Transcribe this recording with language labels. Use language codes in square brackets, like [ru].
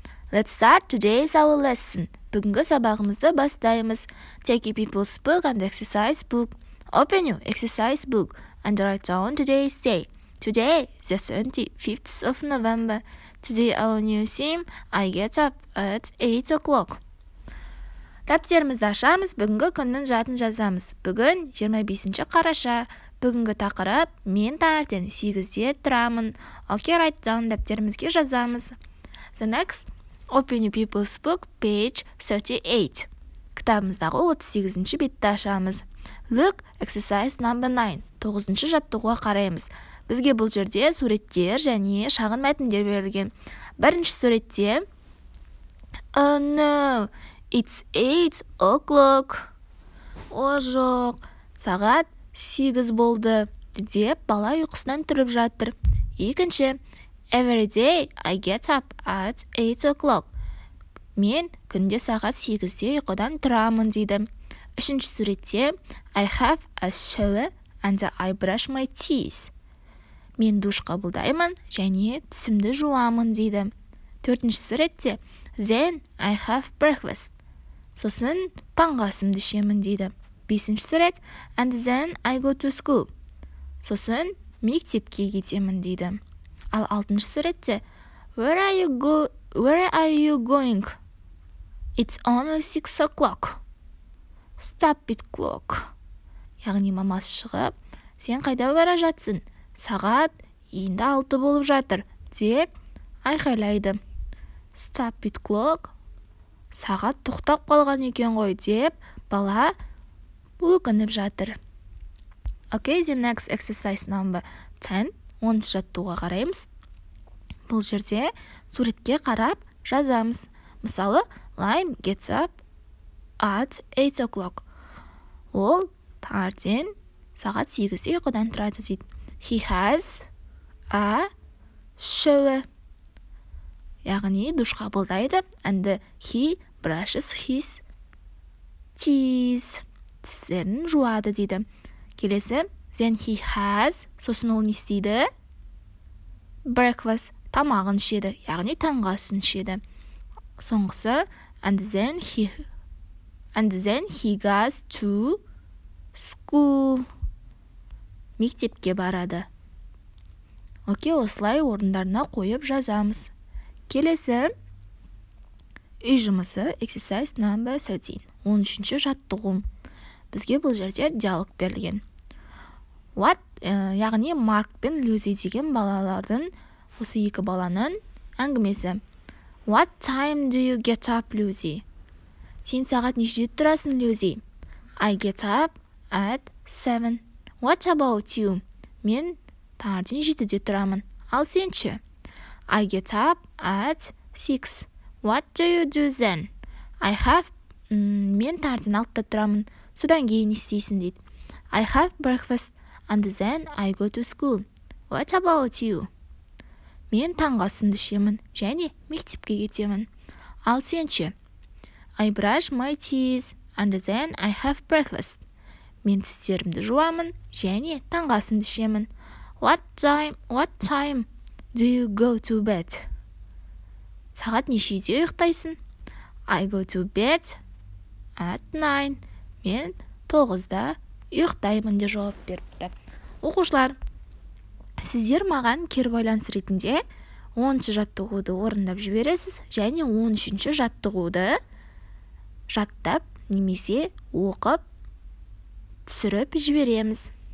[en] Let's start today's our lesson. [kk] Бүгінгі сабағымызды бастаймыз. [en] Take you, peoples, book and exercise book. Open your exercise book and write down today's day. Today, the 25th of November. Today, our new theme, I get up at 8 o'clock. [kk] Дәптерімізді ашамыз, бүгінгі күннің жатын жазамыз. Бүгін 25-ші қараша. Бүгінгі тақырып, мен таңертең 8-де тұрамын. Окей, [en] write down [kk] дәптерімізге жазамыз. [en] The next, open your people's book, page 38. [kk] Кітабымыздағы 38-ші бетті ашамыз. [en] Look, exercise number 9. [kk] 9-ші жаттығуға қараймыз. Бізге бұл жерде суреттер және шағын мәтіндер берілген. Бірінші суретте, [en] Oh no, it's 8 o'clock. [kk] О, жоқ, сағат 8 болды, деп бала ұйқысынан тұрып жатыр. [en] Екінші, every day I get up at 8 o'clock. [kk] Мен күнде сағат 8-де ұйқыдан тұрамын, дейді. Үшінші суретте, [en] I have a shower and I brush my teeth. [kk] Мен душ қабылдаймын және түсімді жуамын, дейді. Төртінші суретте, [en] then I have breakfast. [kk] Сосын таңғы асымды ішемін, дейді. [en] Бесінші сурет, and then I go to school. [kk] Сосын мектепке кетемін, дейді. Ал алтыншы суретте, [en] where are you going? It's only 6 o'clock. Stop it, clock. [kk] Яғни мамасы шығып, сен қайда бара жатсын? Сағат енді 6 болып жатыр, деп айқайлайды. [en] Stop it, clock. [kk] Сағат тоқтап қалған екен ғой, деп бала өкініп жатыр. [en] Okay, the next exercise number 10. [kk] 10 жаттуға қараймыз. Бұл жерде суретке қарап жазамыз. Мысалы, [en] Lime gets up at 8 o'clock. [kk] Ол таңертең сағат 8-де ұйқыдан тұрады, дейді. [en] He has a shower. [kk] Яғни душ қабылдайды. [en] And he brushes his teeth. [kk] Тістерін жуады, дейді. Келесі, [en] then he has, [kk] сосын ол не істейді? Breakfast, тамағын ішеді, яғни таңғасын ішеді. Соңғысы, [en] and then he goes to school. [kk] Мектепке барады. Окей, осылай орындарына қойып жазамыз. Келесі, үй жұмысы, [en] exercise number 13. [kk] 13-ші жаттығым. Бізге бұл жерде диалог берілген. [en] What? [kk] Яғни Марк пен Люзи деген балалардың, осы екі баланың әңгімесі. [en] What time do you get up, Люзи? [kk] Сен сағат нешеде тұрасың, Люзи? [en] I get up at 7. What about you? [kk] Мен таңертең 7-де тұрамын. Ал сен ше? [en] I get up at 6. What do you do then? I have... [kk] Мен таңертең 6-да тұрамын. Содан кейін істейсің, дейді. [en] I have breakfast and then I go to school. What about you? [kk] Мен таңғы асымды ішемін және мектепке кетемін. Ал сен ше? [en] I brush my teeth and then I have breakfast. [kk] Мен тістерімді жуамын және таңғы асымды ішемін. [en] What time do you go to bed? [kk] Сағат нешеде ұйықтайсың? [en] I go to bed at 9. [kk] Мен 9-да ұйықтаймын, деп жауап беріпті. Оқушылар, сіздер маған кері байланыс ретінде 10-ші жаттығуды орындап жібересіз, және 13-ші жаттығуды жаттап, немесе оқып, түсіріп жібереміз.